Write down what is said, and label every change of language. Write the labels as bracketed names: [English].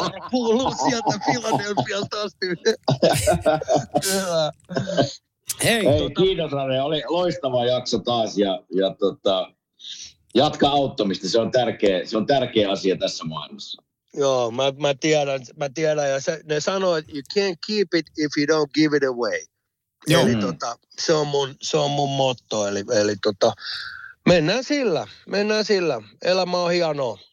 [Finnish] Kuuluu sieltä Philadelphiasta asti. Hei, kiitos Rane. Oli loistava jakso taas ja jatka auttamista. Se on tärkeä asia tässä maailmassa. Joo, mä tiedän, ja ne sanoo, [English] you can't keep it if you don't give it away. [Finnish] Joo. Eli se on mun motto, eli mennään sillä, elämä on hienoa.